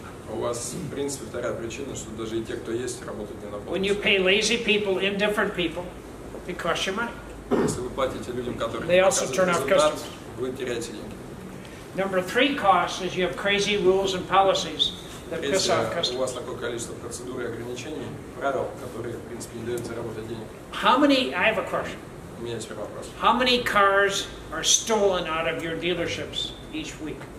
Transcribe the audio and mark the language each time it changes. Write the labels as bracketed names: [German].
[English] When you pay lazy people, indifferent people, it costs you money. They also turn off customers. Number three cost is you have crazy rules and policies. [Russian] Если у вас такое количество процедур и ограничений, правил, которые, в принципе, не дают заработать денег. [English] How many, I have a question. [Russian] У меня есть вопрос. [English] How many cars are stolen out of your dealerships each week?